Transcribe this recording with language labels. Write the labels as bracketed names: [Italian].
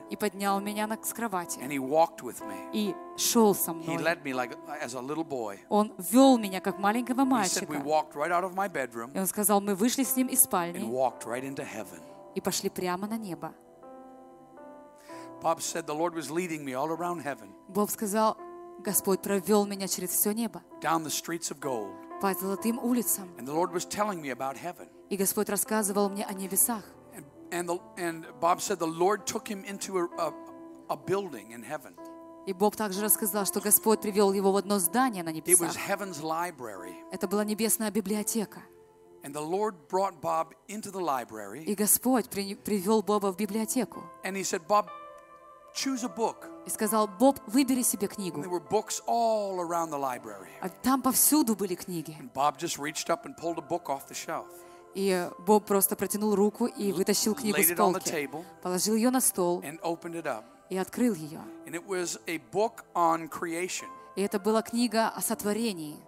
[Russian] И поднял меня на с кровати. [English] And he walked with me. [Russian] И шел со мной. [English] He led me like as a little boy. [Russian] Он вел меня как маленького мальчика. [English] He said we walked right out of my bedroom. [Russian] И он сказал, мы вышли с ним из спальни. [English] And walked right into heaven. [Russian] И пошли прямо на небо. [English] Bob said the Lord was leading me all around heaven. [Russian] Боб сказал, Господь провел меня через все небо. [English] Down the streets of gold. [Russian] По золотым улицам. [English] And the Lord was telling me about heaven. [Russian] И Господь рассказывал мне о небесах. [English] And Bob said the Lord took him into a building in heaven. [Russian] И Боб также рассказал, что Господь привел его в одно здание на небесах. [English] It was heaven's library. [Russian] Это была небесная библиотека. [English] And the Lord brought Bob into the library. [Russian] И Господь привел Боба в библиотеку. [English] And he said, Bob, choose a book. [Russian] И сказал, Боб, выбери себе книгу. [English] And there were books all around the library. [Russian] А там повсюду были книги. [English] And Bob just reached up and pulled a book off the shelf. [Russian] И Боб просто протянул руку и вытащил книгу с полки. [English] Laid it on the table. [Russian] Положил ее на стол. [English] And opened it up. [Russian] И открыл ее. [English] And it was a book on creation. [Russian] И это была книга о сотворении.